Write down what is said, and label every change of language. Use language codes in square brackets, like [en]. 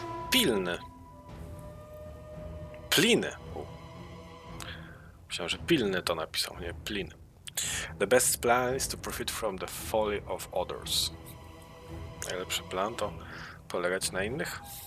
[pl] Pilny. Pliny. Myślałem, że pilny to napisał, nie plin. [en] The best plan is to profit from the folly of others. [pl] Najlepszy plan to polegać na innych.